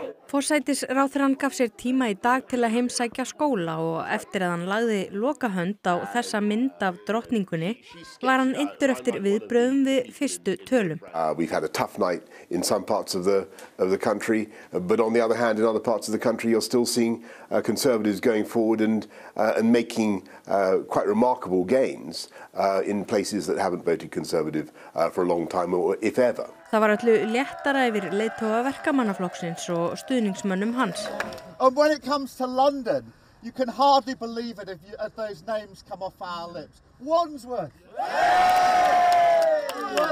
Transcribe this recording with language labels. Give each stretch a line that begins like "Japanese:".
Icelandic: Forsætisráðherrann gaf sér tíma í dag til að heimsækja skóla og eftir að hann lagði lokahönd á þessa mynd af drottningunni var hann inntur eftir viðbrögðum við fyrstu tölum.
English: We've had a tough night in some parts of the country, but on the other hand in other parts of the country you're still seeing conservatives going forward and making quite remarkable gains in places that haven't voted conservative for a long time or if ever.
Icelandic: Það var öllu léttara yfir leiðtoga verkamannaflokksins og stuðningsmönnum hans.
English: And when it comes to London, you can hardly believe it if those names come off our lips. Wandsworth. Yeah!